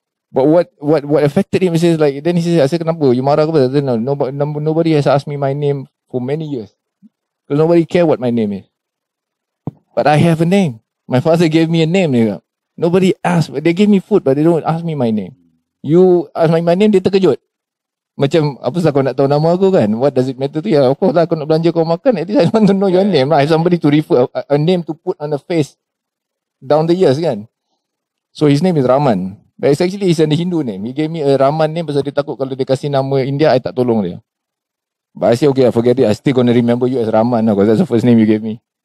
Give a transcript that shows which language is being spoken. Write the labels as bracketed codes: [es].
[en] But what affected him is like, then he says, I said, [ms] kenapa? You marah ke apa? [en] Then, nobody has asked me my name for many years. Because nobody care what my name is. But I have a name. My father gave me a name. Nobody asked. They gave me food, but they don't ask me my name. You ask my name, [ms] dia terkejut. Macam, apa sah kau nak tahu nama aku kan? [en] What does it matter to you? Of course lah, [ms] aku nak belanja kau makan. [en] At least I want to know your name. I have somebody to refer, a name to put on the face down the years kan? So his name is Rahman. But it's actually, it's a Hindu name. He gave me a Rahman name because [ms] dia takut kalau dia kasih nama India, I tak tolong dia. [en] But I say, okay, I forget it. I still gonna remember you as Rahman because that's the first name you gave me.